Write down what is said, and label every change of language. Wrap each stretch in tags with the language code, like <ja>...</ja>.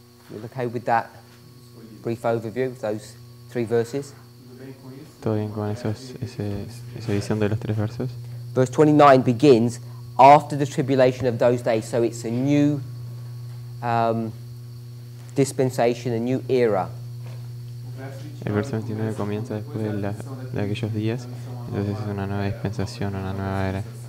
<en>You look okay with that brief overview of those three verses?</en> <es>Todo bien con esa visión de los tres versos.</es> <en>Verse 29 begins after the tribulation of those days, so it's a new dispensation, a new era.</en> <es>El verso 29 comienza después de aquellos días, entonces es una nueva dispensación, una nueva era.</es>